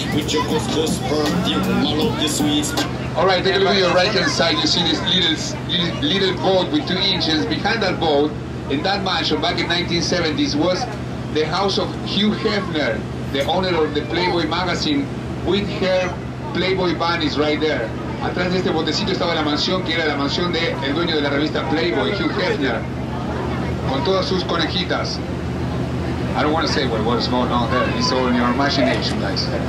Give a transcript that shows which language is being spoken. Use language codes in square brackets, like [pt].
[en] With your couscous perfume, my love is sweet. All right, take a look at your right-hand side. You see this little boat with 2 inches. Behind that boat, in that mansion back in 1970s, was the house of Hugh Hefner, the owner of the Playboy magazine, with her Playboy bunnies right there. [es] Atrás de este botecito estaba la mansión, que era la mansión del dueño de la revista Playboy, Hugh Hefner, con todas sus conejitas. [en] I don't want to say what was going on there. It's all in your imagination, guys.